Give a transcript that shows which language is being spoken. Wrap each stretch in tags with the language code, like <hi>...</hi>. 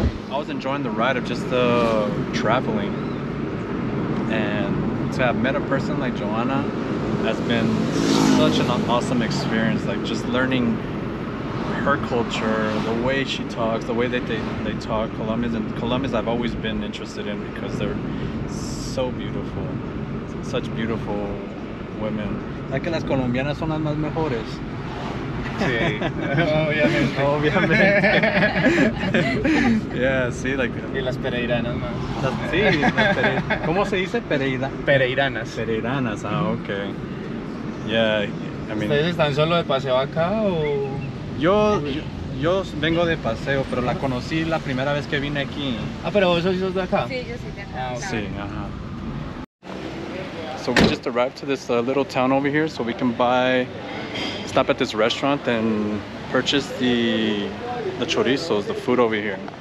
<en>I was enjoying the ride of just the traveling, and to have met a person like Johanna has been such an awesome experience. Like just learning her culture, the way she talks, the way that they talk. Colombians I've always been interested in because they're so beautiful. Such beautiful women.</en> <es>¿Sabes que las colombianas son las más mejores? Sí, obviamente. Yeah, sí, like... Y las pereiranas más. Sí, ¿cómo se dice pereira? Pereiranas.</es> <en>Pereiranas, ah, okay. Yeah, I mean...</en> <es>¿Ustedes están solo de paseo acá o...? Yo vengo de paseo, pero la conocí la primera vez que vine aquí. Ah, pero vos sos de acá. Sí, yo sí de acá. Ah, okay. Sí, ajá.</es> <en>So we just arrived to this little town over here, so we can stop at this restaurant and purchase the chorizos, the food over here.</en>